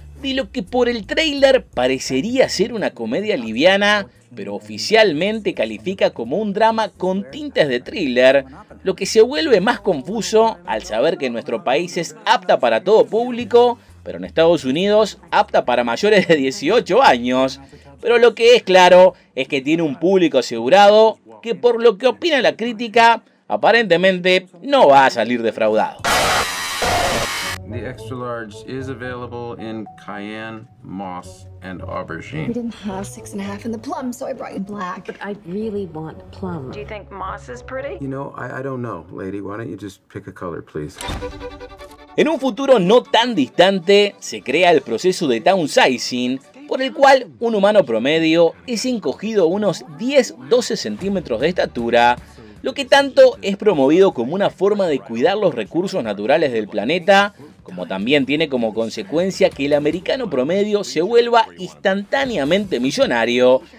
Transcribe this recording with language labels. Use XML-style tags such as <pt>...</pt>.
<es>de lo que por el tráiler parecería ser una comedia liviana, pero oficialmente califica como un drama con tintes de thriller, lo que se vuelve más confuso al saber que nuestro país es apta para todo público, pero en Estados Unidos apta para mayores de 18 años. Pero lo que es claro es que tiene un público asegurado que, por lo que opina la crítica, aparentemente no va a salir defraudado.</es> <en>The extra large is available in cayenne, moss and aubergine. We didn't have 6.5 in the plum, so I brought you black. But I really want plum. Do you think moss is pretty? You know, I don't know, lady. Why don't you just pick a color, please?</en> <es>En un futuro no tan distante, se crea el proceso de downsizing, por el cual un humano promedio es encogido unos 10-12 centímetros de estatura, lo que tanto es promovido como una forma de cuidar los recursos naturales del planeta, como también tiene como consecuencia que el americano promedio se vuelva instantáneamente millonario</es>